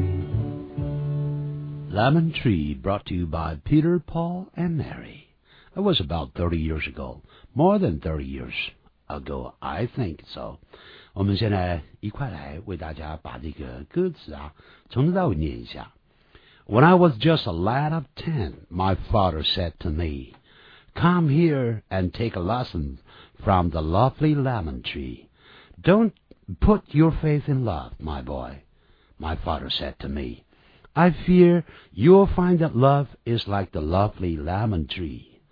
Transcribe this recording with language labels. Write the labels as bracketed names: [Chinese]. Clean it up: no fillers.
[English] Lemon Tree, brought to you by Peter, Paul, and Mary. It was about 30 years ago, more than 30 years ago, I think so. [Chinese] 我们现在一块来为大家把这个歌词啊，从头到尾念一下。 [English] When I was just a lad of 10, my father said to me, Come here and take a lesson from the lovely lemon tree. Don't put your faith in love, my boy, my father said to me. I fear you'll find that love is like the lovely lemon tree.